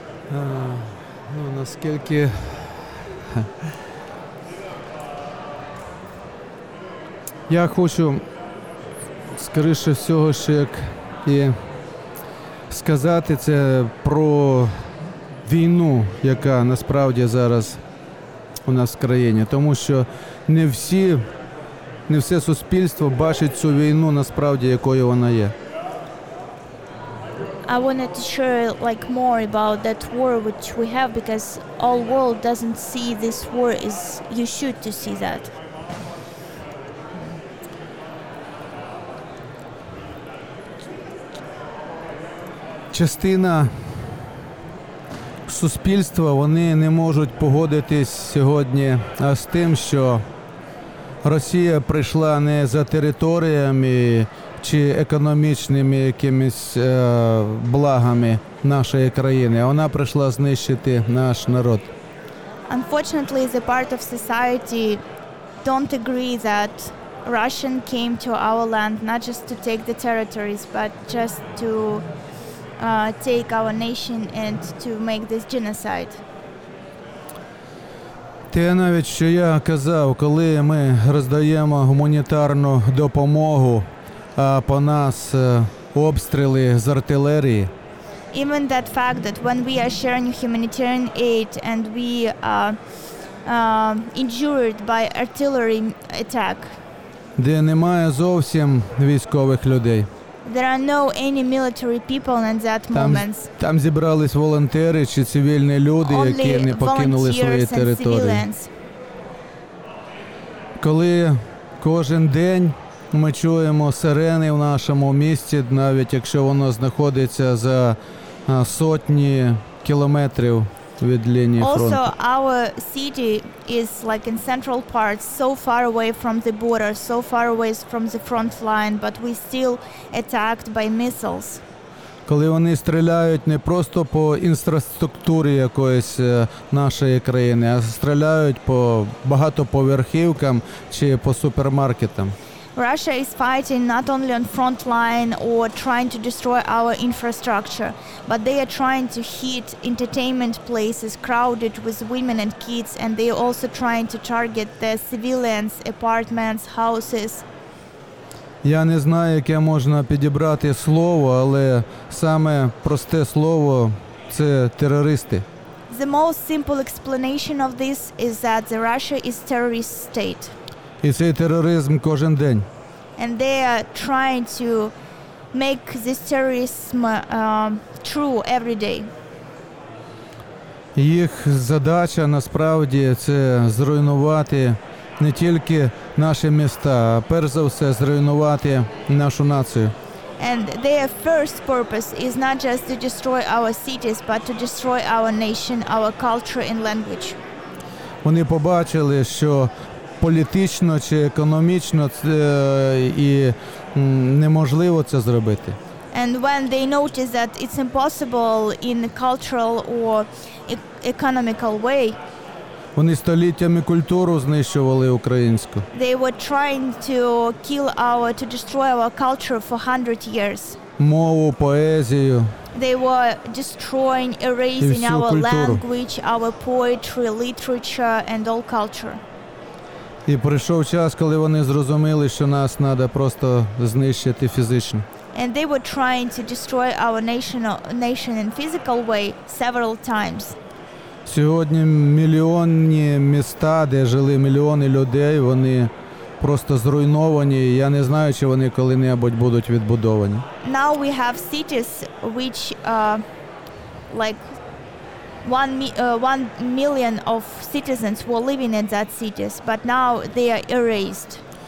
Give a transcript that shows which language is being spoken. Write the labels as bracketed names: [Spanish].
[Ukrainian] Ну, наскільки я хочу скоріше всього ще як і сказати це про війну, яка насправді зараз у нас в країні, тому що не все суспільство бачить цю війну насправді, якою вона є. [English] I wanted to share like more about that war which we have, because all world doesn't see this war as you should to see that. [Ukrainian] Частина суспільства, вони не можуть погодитись сьогодні з тим, що Росія прийшла не за територіями чи економічними якимись благами нашої країни. Вона прийшла знищити наш народ. [English] Unfortunately, the part of society don't agree that Russian came to our land not just to take the territories, but just to take our nation and to make this genocide. [Ukrainian] Те навіть, що я казав, коли ми роздаємо гуманітарну допомогу, а по нас обстріли з артилерії. [English] Even that fact that when we are sharing humanitarian aid and we are injured by artillery attack. [Ukrainian] Де немає зовсім військових людей. [English] There are no any military people in that moment. [Ukrainian] Там зібрались волонтери чи цивільні люди, які не покинули свої території. Коли кожен день ми чуємо сирени в нашому місті, навіть якщо воно знаходиться за сотні кілометрів від лінії фронту. [English] Also, our city is like in central part, so far away from the border, so far away from the front line, but we still attacked by missiles. [Ukrainian] Коли вони стріляють не просто по інфраструктурі якоїсь нашої країни, а стріляють по багатоповерхівкам чи по супермаркетам. [English] Russia is fighting not only on front line or trying to destroy our infrastructure, but they are trying to hit entertainment places crowded with women and kids, and they are also trying to target the civilians, apartments, houses. [Ukrainian] Я не знаю, яке можна підібрати слово, але саме просте слово – це терористи. [English] The most simple explanation of this is that the Russia is terrorist state. [Ukrainian] І цей тероризм кожен день. [English] And they are trying to make this terrorism true every day. [Ukrainian] Їх задача насправді це зруйнувати не тільки наші міста, а перш за все зруйнувати нашу націю. [English] And their first purpose is not just to destroy our cities, but to destroy our nation, our culture and language. [Ukrainian] Вони побачили, що політично чи економічно це, і неможливо це зробити. [English] And when they notice that it's impossible in a cultural or economical way, [Ukrainian] вони століттями культуру знищували українську. [English] They were trying to kill our, to destroy our culture for 100 years. [Ukrainian] Мову, поезію. [English] They were destroying, erasing our language, our poetry, literature, and all culture. [Ukrainian] І прийшов час, коли вони зрозуміли, що нас треба просто знищити фізично. [English] And they were trying to destroy our nation in physical way several times. [Ukrainian] Сьогодні мільйонні міста, де жили мільйони людей, вони просто зруйновані. Я не знаю, чи вони коли-небудь будуть відбудовані. [English] Now we have cities which like one million of citizens were living in that cities, but now they are erased.